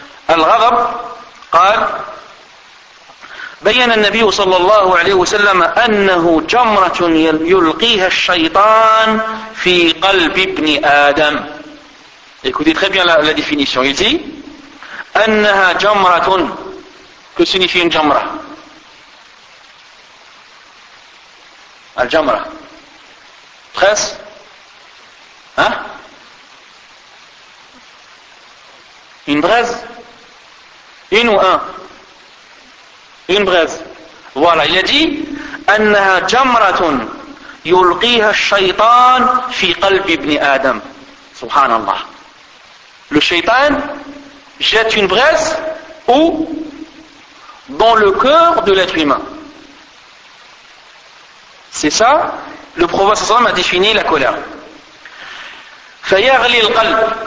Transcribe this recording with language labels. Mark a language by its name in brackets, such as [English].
[Arabic] الغضب قال بيّن النبي صلى الله عليه وسلم أنه جمرة يلقيها الشيطان في قلب ابن آدم. [French] Écoutez très bien la définition. Il dit [Arabic] أنها جمرة. [French] Que signifie une جمرة? [Arabic] الجمرة. Presse. [French] Hein? Une braise? Une ou un? Une braise. Voilà, il a dit [Arabic] أَنَّهَا جَمْرَةٌ يُلْقِيهَا الشَّيْطَانُ فِي قَلْبِ ابْنِ آدَمَ. [French] Subhanallah. Le shaitan jette une braise où? Dans le cœur de l'être humain. C'est ça, le prophète sallam a défini la colère. [Arabic] فَيَغْلِ الْقَلْبِ.